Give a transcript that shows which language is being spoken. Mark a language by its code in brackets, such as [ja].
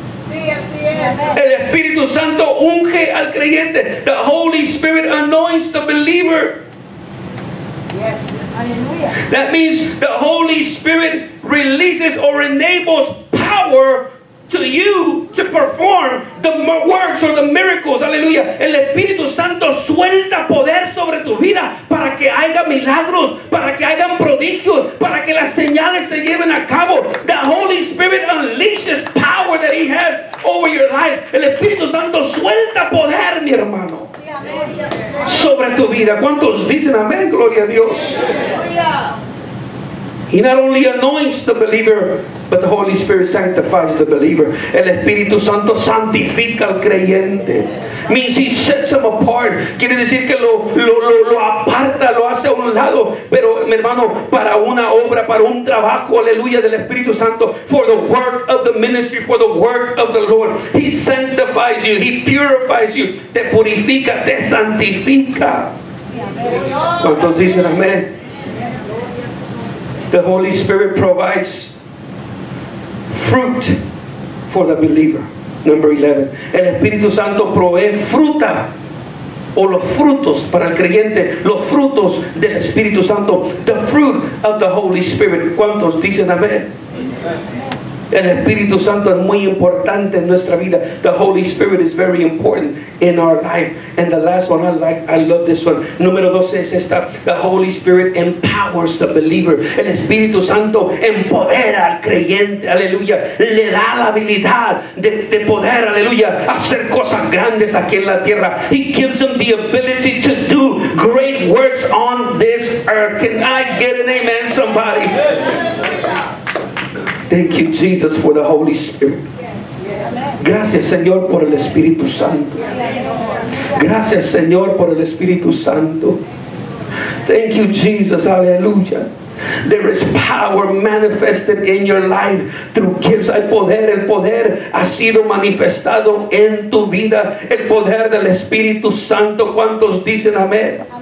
[es] El Espíritu Santo unge al creyente. [en] The Holy Spirit anoints the believer. Yes. That means the Holy Spirit releases or enables power to you to perform the works or the miracles. [es] Aleluya. El Espíritu Santo suelta poder sobre tu vida para que haya milagros, para que haya prodigios, para que las señales se lleven a cabo. [en] The Holy Spirit unleashes power that He has over your life. [es] El Espíritu Santo suelta poder, mi hermano, sobre tu vida. ¿Cuántos dicen amén? Gloria a Dios. [en] He not only anoints the believer, but the Holy Spirit sanctifies the believer. [es] El Espíritu Santo santifica al creyente. [en] Means He sets him apart. [es] Quiere decir que lo aparta, lo hace a un lado. Pero, mi hermano, para una obra, para un trabajo, aleluya, del Espíritu Santo. [en] For the work of the ministry, for the work of the Lord. He sanctifies you, He purifies you. [es] Te purifica, te santifica. ¿Cuántos dicen amén? [en] The Holy Spirit provides fruit for the believer. Number 11. [es] El Espíritu Santo provee fruta o los frutos para el creyente. Los frutos del Espíritu Santo. [en] The fruit of the Holy Spirit. [es] ¿Cuántos dicen amén? El Espíritu Santo es muy importante en nuestra vida. [en] The Holy Spirit is very important in our life. And the last one, I love this one. [es] Número 12 es esta. [en] The Holy Spirit empowers the believer. [es] El Espíritu Santo empodera al creyente. Aleluya. Le da la habilidad de poder, aleluya, hacer cosas grandes aquí en la tierra. [en] He gives him the ability to do great works on this earth. Can I get an amen, somebody? Thank you, Jesus, for the Holy Spirit. [es] Gracias, Señor, por el Espíritu Santo. Gracias, Señor, por el Espíritu Santo. [en] Thank you, Jesus. Hallelujah. There is power manifested in your life through gifts. [es] Hay poder. El poder ha sido manifestado en tu vida. El poder del Espíritu Santo. ¿Cuántos dicen amén?